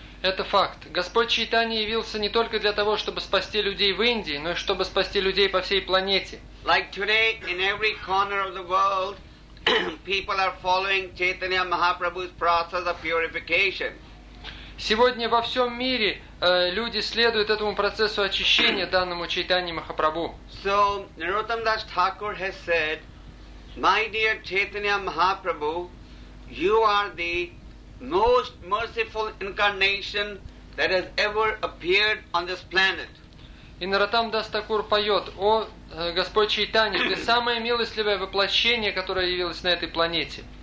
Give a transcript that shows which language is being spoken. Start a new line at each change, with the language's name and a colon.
Russian: Это факт. Господь Чайтанья явился не только для того, чтобы спасти людей в Индии, но и чтобы спасти людей по всей планете.
English: Like today, in every corner of the world, people are following Chaitanya Mahaprabhu's process of purification.
Russian: Сегодня во всем мире люди следуют этому процессу очищения, данному Чайтанья Махапрабху.
English: So, Narottam Das Thakur has said, My dear Chaitanya Mahaprabhu, you are the most merciful incarnation that has ever appeared on this planet.
Russian: И Наратам Дас Такур поет, О, Господь Чайтанья, ты самое милостливое воплощение, которое явилось на этой планете.